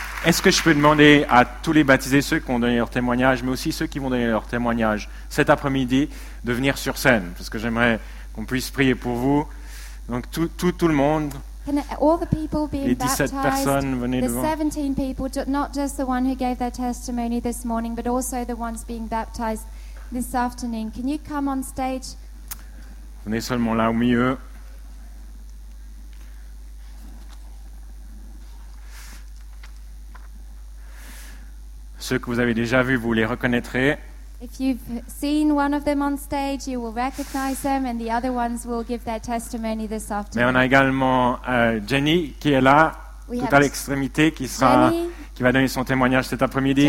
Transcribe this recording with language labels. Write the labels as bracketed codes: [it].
[fr] Est-ce que je peux demander à tous les baptisés, ceux qui ont donné leur témoignage, mais aussi ceux qui vont donner leur témoignage cet après-midi, de venir sur scène, parce que j'aimerais qu'on puisse prier pour vous. Donc tout le monde, les 17 personnes, venez devant. [en] The 17 people, not just the one who gave their testimony this morning, but also the ones being baptized this afternoon. Can you come on stage? [fr] Venez seulement là au milieu. Ceux que vous avez déjà vus, vous les reconnaîtrez. [en] If you've seen one of them on stage, you will recognize them, and the other ones will give their testimony this afternoon. [fr] Mais on a également Jenny qui est là, tout à l'extrémité, qui va donner son témoignage cet après-midi.